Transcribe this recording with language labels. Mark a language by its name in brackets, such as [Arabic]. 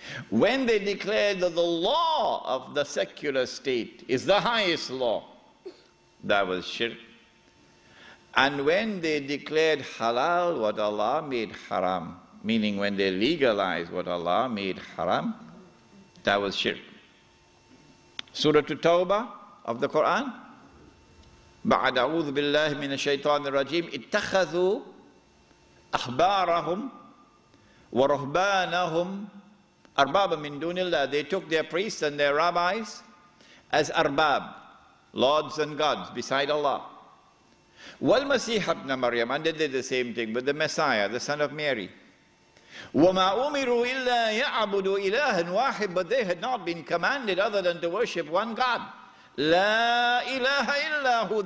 [English] When they declared that the law of the secular state is the highest law, that was shirk. And when they declared halal what Allah made haram, meaning when they legalized what Allah made haram, that was shirk. Surah At-Tawbah of the Quran. [Arabic] بعد أعوذ بالله من الشيطان الرجيم اتخذوا أحبارهم ورهبانهم أربابا من دون الله. [English] They took their priests and their rabbis as [Arabic] أرباب. [English] lords and gods beside Allah. [Arabic] Wal Masih ibn Maryam, [English] and they did the same thing with the Messiah, the son of Mary. [Arabic] وَمَا أُمِرُوا إِلَّا يَعْبُدُوا إِلَهًا وَاحِدًا. [English] But they had not been commanded other than to worship one God. [Arabic] لَا إِلَهَ إِلَّا هُ.